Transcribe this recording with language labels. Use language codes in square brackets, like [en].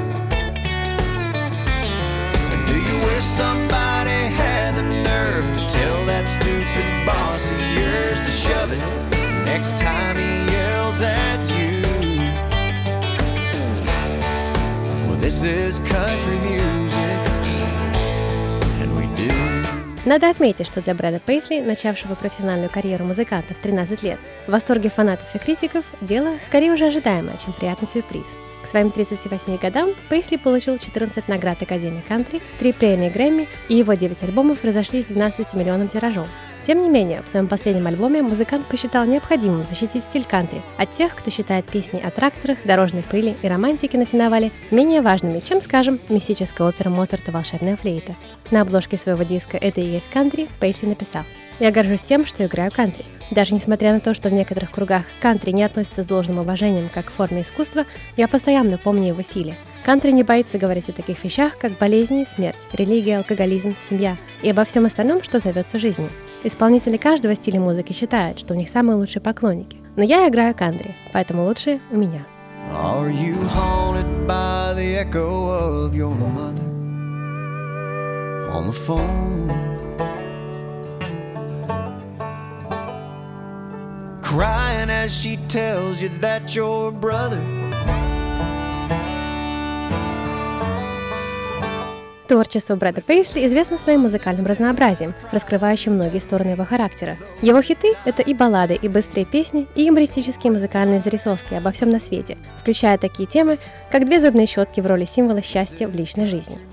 [en] And do you wish somebody had the nerve to tell that stupid boss of yours to shove it next time he yells at you? Well, this is country music. [ru] Надо отметить, что для Брэда Пейсли, начавшего профессиональную карьеру музыканта в 13 лет, в восторге фанатов и критиков, дело скорее уже ожидаемое, чем приятный сюрприз. К своим 38 годам Пейсли получил 14 наград Академии Кантри, 3 премии Грэмми, и его 9 альбомов разошлись 12-миллионным тиражом. Тем не менее, в своем последнем альбоме музыкант посчитал необходимым защитить стиль кантри от тех, кто считает песни о тракторах, дорожной пыли и романтике на Синовале менее важными, чем, скажем, мистическая опера Моцарта «Волшебная флейта». На обложке своего диска «Это и есть кантри» Пейсли написал: «Я горжусь тем, что играю кантри. Даже несмотря на то, что в некоторых кругах кантри не относится с должным уважением как к форме искусства, я постоянно помню его силе. Кантри не боится говорить о таких вещах, как болезни, смерть, религия, алкоголизм, семья и обо всем остальном, что зовется жизнью. Исполнители каждого стиля музыки считают, что у них самые лучшие поклонники. Но я играю кантри, поэтому лучшие у меня». [en] Are you haunted by the echo of your mother on the phone? Crying as she tells you that your brother. [ru] Творчество Брэда Пейсли известно своим музыкальным разнообразием, раскрывающим многие стороны его характера. Его хиты — это и баллады, и быстрые песни, и юмористические музыкальные зарисовки обо всем на свете, включая такие темы, как две зубные щетки в роли символа счастья в личной жизни.